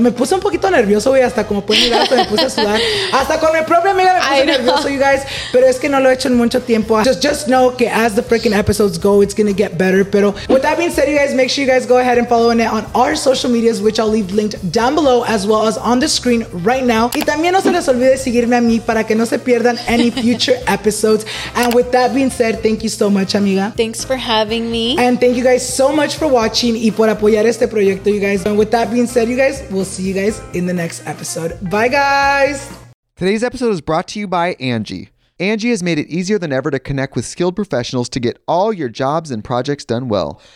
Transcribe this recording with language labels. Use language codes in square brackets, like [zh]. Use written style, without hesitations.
[es] Me puse un poquito nervioso, güey, hasta como pueden mirar, hasta me puse a sudar. Hasta con mi propia amiga me puse nervioso, [en] you guys. [es] Pero es que no lo he hecho en mucho tiempo. [en] Just know que as the freaking episodes go, it's gonna get better. Pero with that being said, you guys, make sure you guys go ahead and follow Annette on our social medias, which I'll leave linked down below as well as on the screen right now. [es] Y también no se les olvide seguirme a mí para que no se pierdan [en] any future episodes. And with that being said, thank you so much, amiga. Thanks for having me. And thank you guys so much for watching [es] y por apoyar este proyecto, [en] you guys. And with that being said, you guys, we'll see you guys in the next episode. Bye, guys. Today's episode is brought to you by Angie. Angie has made it easier than ever to connect with skilled professionals to get all your jobs and projects done well.